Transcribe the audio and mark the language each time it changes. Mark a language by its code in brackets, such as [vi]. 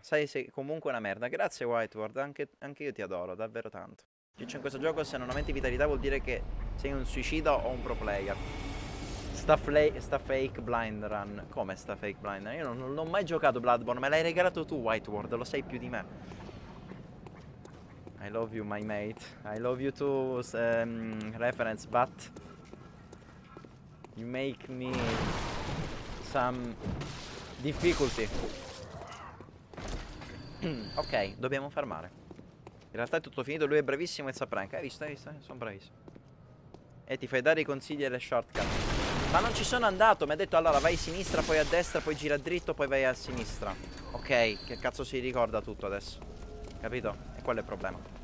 [it] Sai, sei comunque una merda. Grazie Whiteward, anche io ti adoro, davvero tanto. Cioè in questo gioco se non aumenti vitalità vuol dire che sei un suicida o un pro player. Sta fake blind run. Come sta fake blind run? Io non ho mai giocato Bloodborne. Me l'hai regalato tu Whiteward, lo sai più di me. [en] I love you my mate. I love you too, reference, but you make me some difficulty. [it] Ok, dobbiamo farmare. In realtà è tutto finito, lui è bravissimo e sa prank. Hai visto? Sono bravissimo. E ti fai dare i consigli e le shortcut. Ma non ci sono andato, mi ha detto allora vai a sinistra, poi a destra, poi gira dritto, poi vai a sinistra. Ok, che cazzo si ricorda tutto adesso? Capito? E quello è il problema.